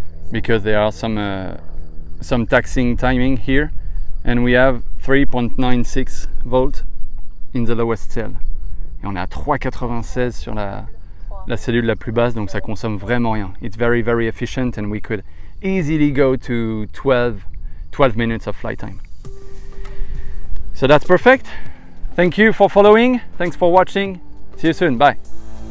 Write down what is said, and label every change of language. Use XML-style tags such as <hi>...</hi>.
<en>Because there are some taxiing timing here, and we have 3.96 volts in the lowest cell.</en> <fr>Et on est à 3.96 sur la cellule la plus basse, donc ça consomme vraiment rien.</fr> <en>It's very very efficient, and we could easily go to 12 minutes of flight time. So that's perfect. Thank you for following. Thanks for watching. See you soon. Bye.</en>